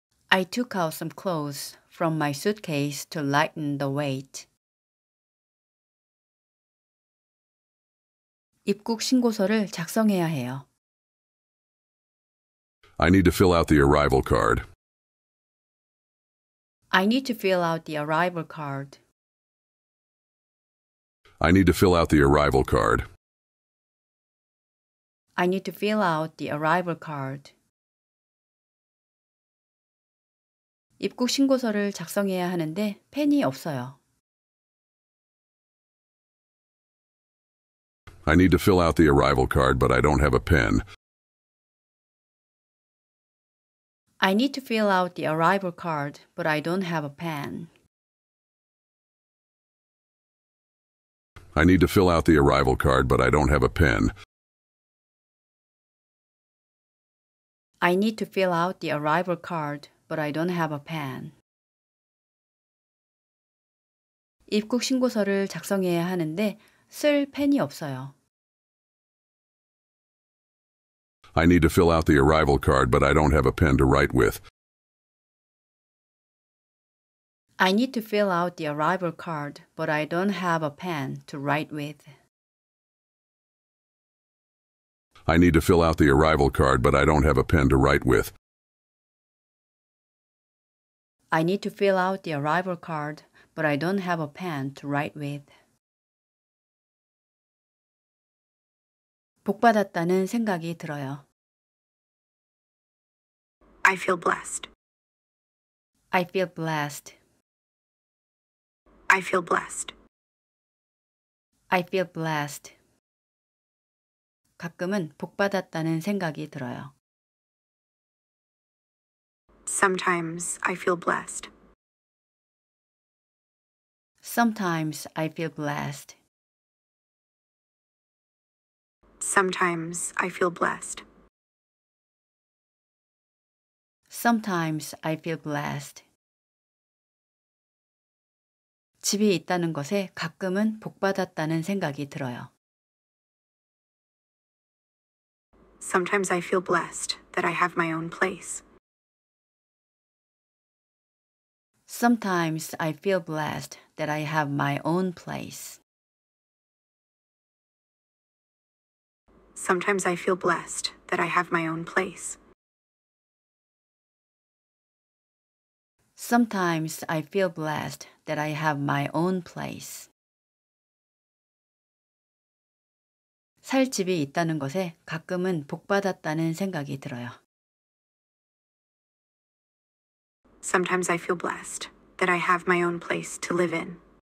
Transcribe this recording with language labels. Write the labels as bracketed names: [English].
[English] I took out some clothes from my suitcase to lighten the weight. [Korean] 입국 신고서를 작성해야 해요. [English] I need to fill out the arrival card. I need to fill out the arrival card. I need to fill out the arrival card. I need to fill out the arrival card. [Korean] 입국 신고서를 작성해야 하는데 펜이 없어요. [English] I need to fill out the arrival card, but I don't have a pen. I need to fill out the arrival card, but I don't have a pen. I need to fill out the arrival card, but I don't have a pen. I need to fill out the arrival card, but I don't have a pen. [Korean] 입국 신고서를 작성해야 하는데 쓸 펜이 없어요. [English] I need to fill out the arrival card, but I don't have a pen to write with. I need to fill out the arrival card, but I don't have a pen to write with. I need to fill out the arrival card, but I don't have a pen to write with. I need to fill out the arrival card, but I don't have a pen to write with. [Korean] 복 받았다는 생각이 들어요. [English] I feel blessed. I feel blessed. I feel blessed. I feel blessed. [Korean] 가끔은 복 받았다는 생각이 들어요. [English] Sometimes I feel blessed. Sometimes I feel blessed. Sometimes I feel blessed. Sometimes I feel blessed. [Korean] 집이 있다는 것에 가끔은 복 받았다는 생각이 들어요. [English] Sometimes I feel blessed that I have my own place. Sometimes I feel blessed that I have my own place. Sometimes I feel blessed that I have my own place. Sometimes I feel blessed that I have my own place. [Korean] 살 집이 있다는 것에 가끔은 복 받았다는 생각이 들어요. [English] Sometimes I feel blessed that I have my own place to live in.